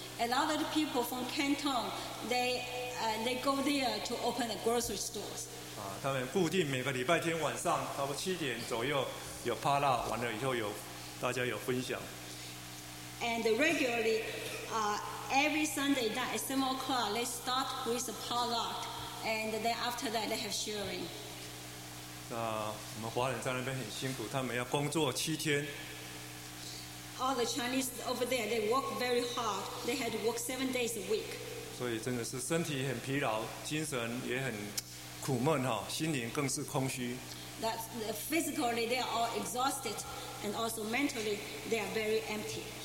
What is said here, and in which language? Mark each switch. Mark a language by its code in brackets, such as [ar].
[en] A lot of the people from Canton, they go there to open a grocery stores. [zh] 他们固定每个礼拜天晚上差不多七点左右有 potluck， 完了以后有大家有分享。 [en] And regularly, every Sunday night at 7 o'clock, they start with a potluck, and then after that, they have sharing. [zh] 我们华人在那边很辛苦，他们要工作七天。 [en] All the Chinese over there, they work very hard. They had to work 7 days a week. [zh] 所以真的是身体很疲劳，精神也很苦闷，心灵更是空虚。 [en] That physically they are all exhausted, and also mentally they are very empty.